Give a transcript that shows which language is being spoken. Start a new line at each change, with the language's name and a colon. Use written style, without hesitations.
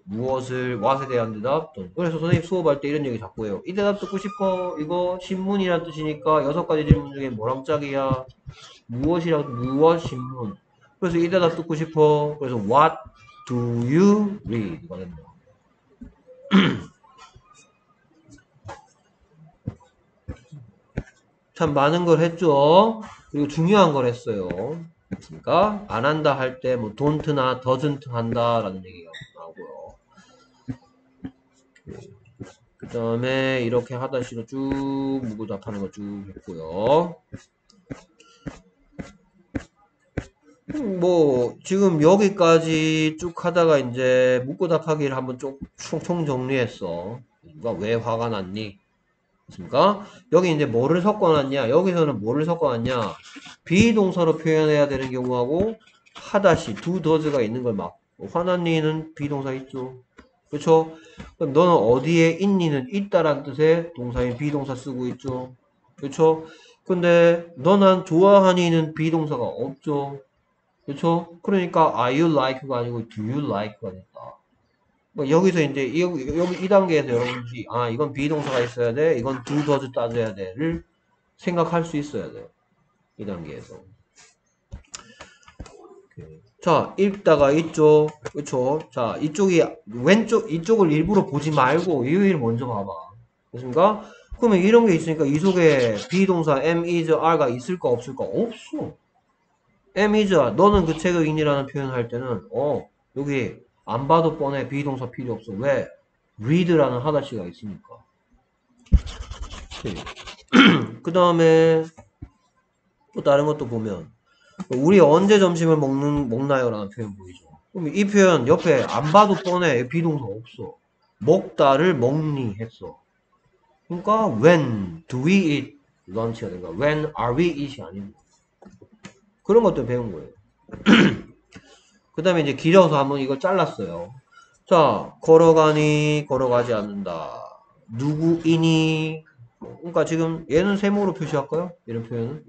Korean: 무엇을, what에 대한 대답. 그래서 선생님 수업할 때 이런 얘기 자꾸 해요. 이 대답 듣고 싶어? 이거 신문이란 뜻이니까 여섯 가지 질문 중에 뭐랑 짝이야? 무엇이라고, 무엇 신문. 그래서 이 대답 듣고 싶어? 그래서
English: what do you read?
Korean: 참 많은 걸 했죠. 그리고 중요한 걸 했어요. 그러니까 안 한다 할때뭐 don't나 doesn't 한다라는 얘기가 나오고요. 그다음에 이렇게 하다 시로 쭉 묻고 답하는 거쭉 했고요. 뭐 지금 여기까지 쭉 하다가 이제 묻고 답하기를 한번 쭉총 정리했어. 누가 왜 화가 났니? 그니까 여기 이제 뭐를 섞어놨냐, 여기서는 뭐를 섞어놨냐, 비동사로 표현해야 되는 경우하고 하다시 두 더즈가 있는 걸막 화난 니는 비동사 있죠. 그렇죠? 그럼 너는 어디에 있니는 있다란 뜻의 동사인 비동사 쓰고 있죠. 그렇죠? 근데 너는 좋아하니는 비동사가 없죠. 그렇죠? 그러니까
English: are you like
Korean: 가 아니고
English: do you like
Korean: 가 됐다. 여기서 이제 여기 이 단계에서 여러분들이 아 이건 비동사가 있어야 돼, 이건 do does 따져야 돼를 생각할 수 있어야 돼요 이 단계에서. 자, 읽다가 이쪽, 그렇죠? 자, 이쪽이 왼쪽, 이쪽을 일부러 보지 말고 이 위를 먼저 봐봐. 그렇습니까? 그러면 이런 게 있으니까 이 속에 비동사 am, is, are가 있을까 없을까? 없어. am, is, are, 너는 그 책을 읽니라는 표현을 할 때는 여기 안 봐도 뻔해. 비동사 필요 없어. 왜? read라는 하다시가 있으니까. 그 다음에 또 다른 것도 보면 우리 언제 점심을 먹나요라는 표현 보이죠? 그럼 이 표현 옆에 안 봐도 뻔해. 비동사 없어. 먹다를 먹니 했어. 그러니까
English: when do we eat lunch
Korean: 야 된다.
English: when are we eat
Korean: 이 아니고 그런 것도 배운 거예요. 그 다음에 이제 길어서 한번 이걸 잘랐어요. 자, 걸어가니, 걸어가지 않는다. 누구이니? 그러니까 지금 얘는 세모로 표시할까요? 이런 표현은?